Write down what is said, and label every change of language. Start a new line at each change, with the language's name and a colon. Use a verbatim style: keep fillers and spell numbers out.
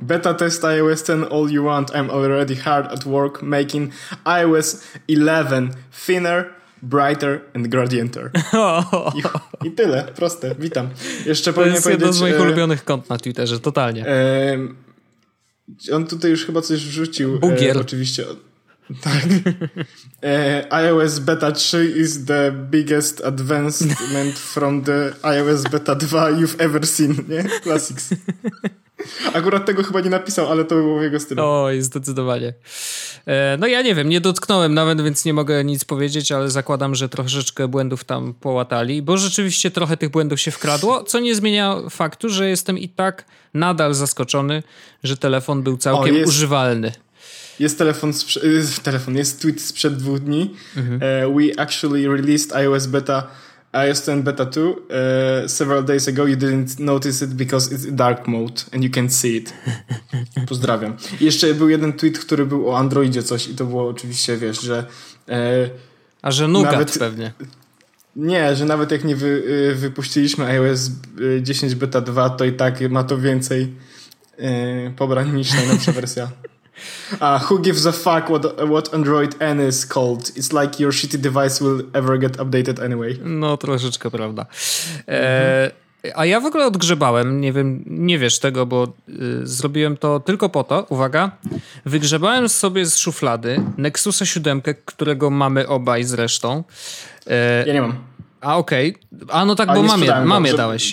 English: Beta test iOS ten all you want, I'm already hard at work making iOS eleven thinner, brighter and gradienter.
Polish: I, I tyle, proste, witam. Jeszcze to jest jeden z moich e, ulubionych kont na Twitterze, totalnie. E, On tutaj już chyba coś wrzucił. Bugier. E, oczywiście. Tak.
English: E, iOS Beta trzy is the biggest advancement from the iOS Beta dwa you've ever seen,
Polish: nie?
English: Classics.
Polish: Akurat tego chyba nie napisał, ale to było w jego stylu. Oj, zdecydowanie. E, no ja nie wiem, nie dotknąłem nawet, więc nie mogę nic powiedzieć, ale zakładam, że troszeczkę błędów tam połatali, bo rzeczywiście trochę tych błędów się wkradło, co nie zmienia faktu, że jestem i tak nadal zaskoczony, że telefon był całkiem o, jest, używalny. Jest telefon, sprze- telefon, jest tweet sprzed dwóch dni. Mhm.
English: Uh, we actually released iOS Beta iOS ten Beta two uh, several days ago. You didn't notice it because it's dark mode and you can't see it.
Polish: Pozdrawiam. I jeszcze był jeden tweet, który był o Androidzie coś i to było oczywiście, wiesz, że... Uh, A że nougat nawet, pewnie. Nie, że nawet jak nie wy, wypuściliśmy iOS dziesięć Beta dwa, to i tak ma to więcej yy, pobrań niż najnowsza wersja.
English: A who gives a fuck what, what Android N is called? It's like your shitty device will ever get updated anyway.
Polish: No troszeczkę, prawda. E, a ja w ogóle odgrzebałem, nie wiem, nie wiesz tego, bo y, zrobiłem to tylko po to, uwaga, wygrzebałem sobie z szuflady Nexusa siedem, którego mamy obaj zresztą. E, ja nie mam. A okej. Okay. A no tak, a bo mam je, mam je dałeś.